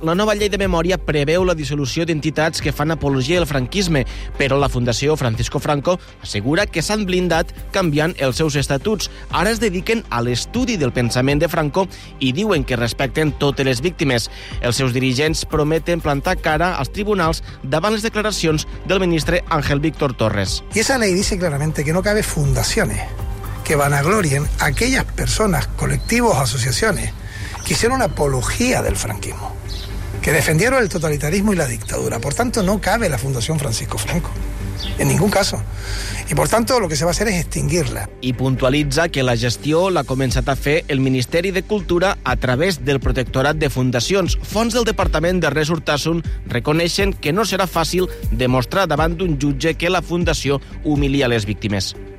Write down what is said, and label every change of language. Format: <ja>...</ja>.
<ca>La nova llei de memòria preveu la dissolució d'entitats que fan apologia del franquisme, però la Fundació Francisco Franco assegura que s'han blindat canviant els seus estatuts. Ara es dediquen a l'estudi del pensament de Franco i diuen que respecten totes les víctimes. Els seus dirigents prometen plantar cara als tribunals davant les declaracions del ministre Ángel Víctor Torres.</ca> <es>Y esa ley dice claramente que no cabe fundaciones que vanaglorien aquellas personas, colectivos, asociaciones que hicieron una apología del franquismo, que defendieron el totalitarismo y la dictadura. Por tanto, no cabe la Fundación Francisco Franco. En ningún caso. Y por tanto, lo que se va a hacer es extinguirla.</es> <ca>I puntualitza que la gestió l'ha començat a fer el Ministeri de Cultura a través del Protectorat de Fundacions. Fons del Departament de Res Urtasun reconeixen que no serà fàcil demostrar davant d'un jutge que la Fundació humilia les víctimes.</ca>